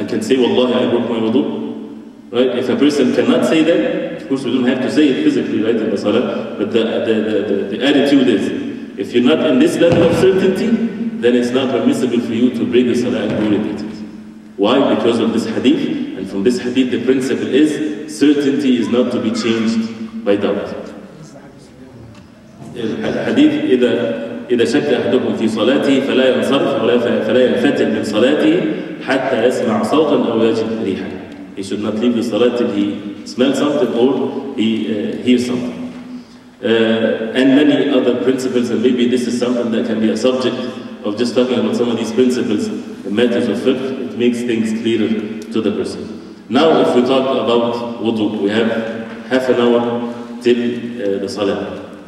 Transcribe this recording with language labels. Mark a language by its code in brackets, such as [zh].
[en] I can say, Wallahi, I broke my wudu. Right? If a person cannot say that, of course we don't have to say it physically, right, in the salah, but the attitude is, if you're not in this level of certainty, then it's not permissible for you to break the salah and go repeat it. Why? Because of this hadith, and from this hadith the principle is, certainty is not to be changed by doubt. [ar] الحديث إذا شك أحدكم في صلاته فلا ينصرف فلا ينفتل من صلاته حتى يسمع صوتا أو يجد ريحا. [en] He should not leave the salat till he smells something or he hears something. And many other principles, and maybe this is something that can be a subject of just talking about some of these principles in matters of fiqh. It makes things clearer to the person. Now if we talk about wudu, we have half an hour till the salat.